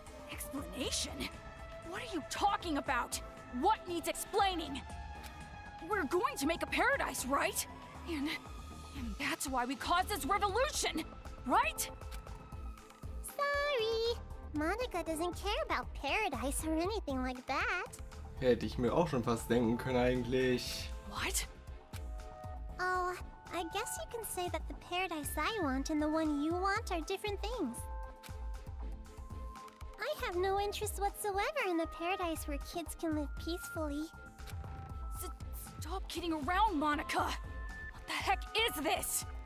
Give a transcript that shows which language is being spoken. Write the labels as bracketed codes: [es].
[en] Explanation? What are you talking about? What needs explaining? We're going to make a paradise, right? And that's why we caused this revolution, right? Sorry. Monica doesn't care about paradise or anything like that. [de] Hätte ich mir auch schon fast denken können eigentlich. [en] What? Oh, I guess you can say that the paradise I want and the one you want are different things. I have no interest whatsoever in a paradise where kids can live peacefully. Stop kidding around, Monica! What the heck is this?